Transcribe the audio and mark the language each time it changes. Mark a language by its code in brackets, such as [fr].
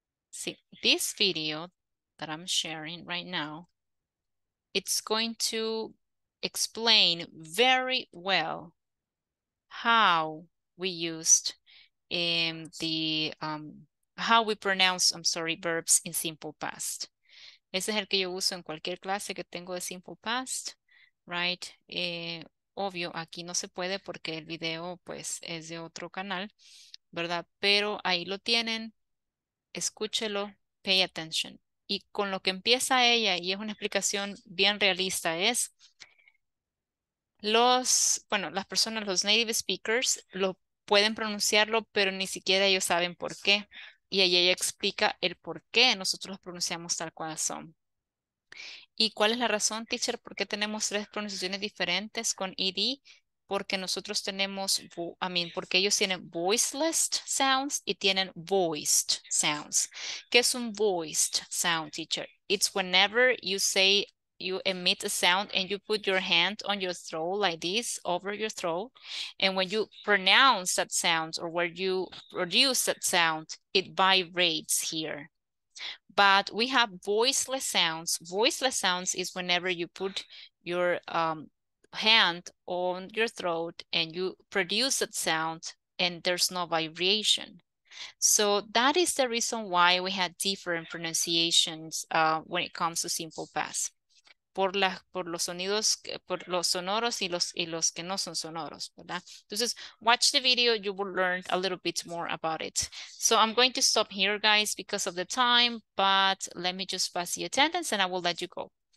[en] See, this video that I'm sharing right now, it's going to explain very well how we used in the, how we pronounce, I'm sorry, verbs in simple past. [es] Ese es el que yo uso en cualquier clase que tengo de simple past, right? Obvio, aquí no se puede porque el video, pues, es de otro canal, ¿verdad? Pero ahí lo tienen, escúchelo, [en] pay attention. [es] Y con lo que empieza ella, y es una explicación bien realista, es los, bueno, las personas, los native speakers, lo pueden pronunciarlo, pero ni siquiera ellos saben por qué. Y ahí ella explica el por qué nosotros los pronunciamos tal cual son. ¿Y cuál es la razón, teacher? ¿Por qué tenemos tres pronunciaciones diferentes con ED? Porque nosotros tenemos, porque ellos tienen voiceless sounds y tienen voiced sounds. ¿Qué es un voiced sound, teacher? [en] It's whenever you say, you emit a sound and you put your hand on your throat like this, over your throat. And when you pronounce that sound or where you produce that sound, it vibrates here. But we have voiceless sounds. Voiceless sounds is whenever you put your hand on your throat and you produce that sound and there's no vibration. So that is the reason why we had different pronunciations when it comes to simple past. [es] Por los sonidos y los que no son sonoros, ¿verdad? [en] Entonces, watch the video, you will learn a little bit more about it. So I'm going to stop here, guys, because of the time, but let me just pass the attendance and I will let you go.